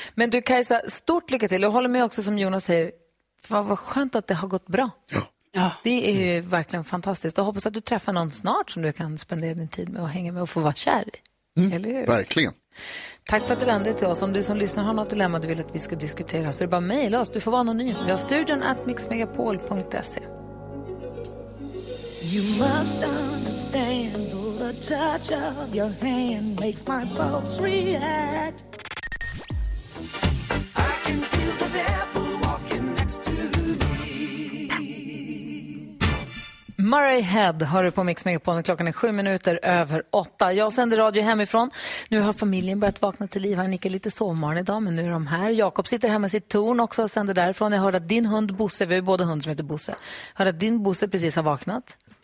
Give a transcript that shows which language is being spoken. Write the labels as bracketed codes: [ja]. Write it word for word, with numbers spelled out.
[sv] Men du, Kajsa, stort lycka till. Jag håller med också som Jonas säger. Vad, vad skönt att det har gått bra. Ja. Ja. Det är ju verkligen fantastiskt. Jag hoppas att du träffar någon snart som du kan spendera din tid med och hänga med och få vara kär i. Mm. Eller hur? Verkligen. Tack för att du vände dig till oss. Om du som lyssnar har något dilemma du vill att vi ska diskutera, så är det bara mejla oss. Du får vara anonym. Vi har studion at mixmegapol punkt se. [en] You must understand the touch of your hand makes my pulse react. I can feel the devil walking next to me. [sv] Murray Head hör du på Mix Megapone. Klockan är sju minuter över åtta. Jag sänder radio hemifrån. Nu har familjen börjat vakna till liv. Han nickar lite sovmorgon idag, men nu är de här. Jakob sitter hemma i sitt torn också och sänder därifrån. Jag hörde att din hund Bosse, vi har ju båda hund som heter Bosse, hörde att din Bosse precis har vaknat.